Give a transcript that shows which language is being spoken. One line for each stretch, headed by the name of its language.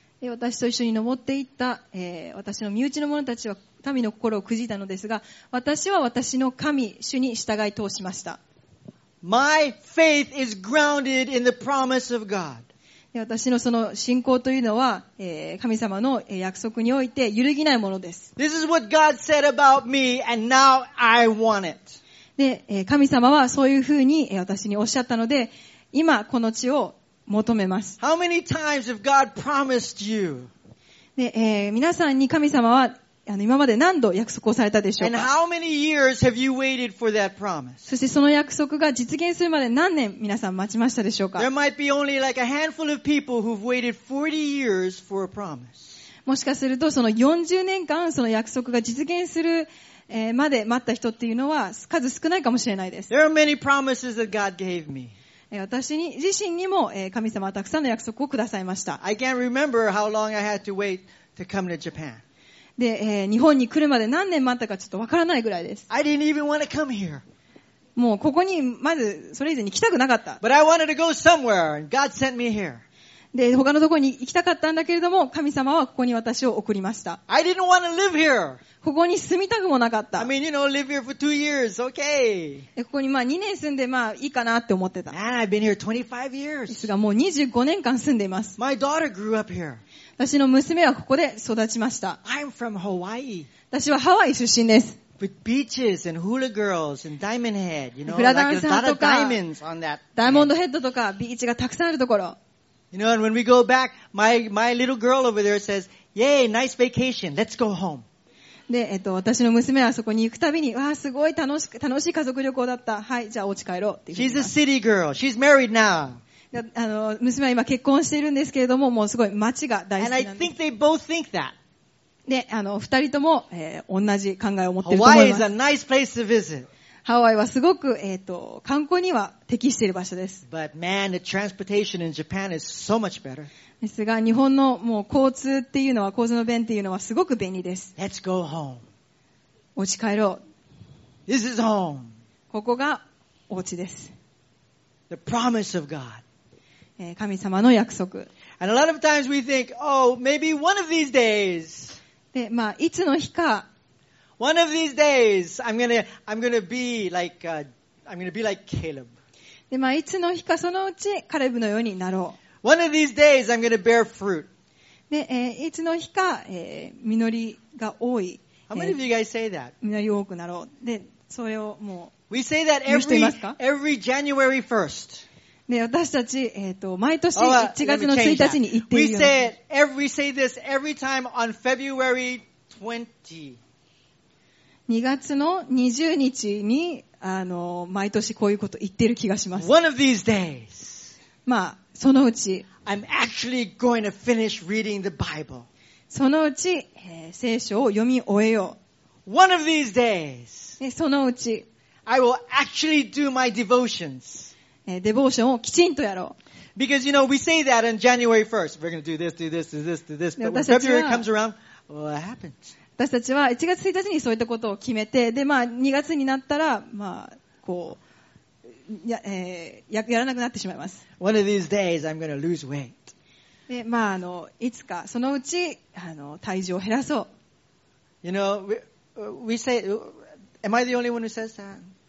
Japanese: 私と一緒に登っていった、私の身内の者たちは民の心をくじいたのですが、私は私の神、主に従い通しました。
English: My faith is grounded in the promise of God.
Japanese: 私のその信仰というのは、神様の約束において揺るぎないものです。
English: This is what God said about me, and now I want it.
Japanese: で、神様はそういうふうに私におっしゃったので、今この地を求めます。
English: How many times have God promised you?
Japanese: で、皆さんに神様は今まで何度約束をされたでしょうか?
English: And how many years have you waited for that promise?
Japanese: そしてその約束が実現するまで何年皆さん待ちましたでしょうか?
English: There might be only like a handful of people who've waited 40 years for a promise.
Japanese: もしかするとその40年間その約束が実現するまで待った人っていうのは数少ないかもしれないです。
English: There are many promises that God gave me.
Japanese: 私に自身にも神様はたくさんの約束をくださいました。
English: I can't remember how long I had to wait to come to Japan.
Japanese: で、日本に来るまで何年待ったかちょっとわからないぐらいです。
English: I didn't even want to come here.
Japanese: もうここにまずそれ以前に来たくなかった。
English: But I wanted to go somewhere and God sent me here.
Japanese: で、他のところに行きたかったんだけれども、神様はここに私を送りました。
English: I didn't want to live here.
Japanese: ここに住みたくもなかった。
English: I mean, you know, live here for two years, okay.
Japanese: ここにまあ2年住んでまあいいかなって思ってた。
English: And I've been here 25 years.
Japanese: ですがもう25年間住んでいます。
English: My daughter grew up here.
Japanese: 私の娘はここで育ちました。
English: I'm from Hawaii.
Japanese: 私はハワイ出身です。
English: with beaches and hula girls and diamond head, you know, like there's a lot of diamonds on that.
Japanese: ダイモンドヘッドとかビーチがたくさんあるところ。
English: You know, and when we go back, my little girl over there says, "Yay, nice vacation. Let's go home."
Japanese: で、私の娘はそこに行くたびに、わあ、すごい楽しい家族旅行だった。はい、じゃあお家帰ろうって言います。
English: She's a city girl. She's married now.
Japanese: あの娘は今結婚しているんですけれども、もうすごい街が大好きなんです。
English: And I think they both think that.
Japanese: で、あの、二人とも、同じ考えを持っていると思います。
English: Hawaii is a nice place to visit.
Japanese: ハワイはすごく、観光には適している場所です。
English: But man, the transportation in Japan is so much better.
Japanese: ですが、日本のもう交通っていうのは、交通の便っていうのはすごく便利です。
English: Let's go home.
Japanese: お家帰ろう。
English: This is home.
Japanese: ここがお家です。
English: The promise of God.
Japanese: 神様の約束。
English: And a lot of times we think, oh, maybe one of these days,
Japanese: で、まあ、いつの日か。
English: One of these days, I'm gonna be like Caleb.
Japanese: で、まあ、いつの日かそのうちカレブのようになろう。
English: One of these days, I'm gonna bear fruit.
Japanese: で、いつの日か、実りが多い。
English: How many of you guys say that?
Japanese: 実り多くなろう。で、それをもう。
English: We say that every January 1st.
Japanese: で私たち、毎年1月の1日に言っているような。
English: We say this every time on February 20.
Japanese: 2月の20日に、毎年こういうこと言っている気がします。
English: One of these days.
Japanese: まあ、そのうち。
English: I'm actually going to finish reading the Bible.
Japanese: そのうち、聖書を読み終えよう。
English: One of these days.
Japanese: で、そのうち。
English: I will actually do my devotions.
Japanese: デボーションをきちんとやろう。
English: Because, you know, we say that on January 1st. We're going to do this. But when February comes around, what happens?
Japanese: 私たちは1月1日にそういったことを決めて、で、まあ、2月になったら、まあ、こう、やらなくなってしまいます。
English: One of these days, I'm going to lose weight.
Japanese: で、まあ、いつか、そのうち、体重を減らそう。
English: You know, am I the only one who says that?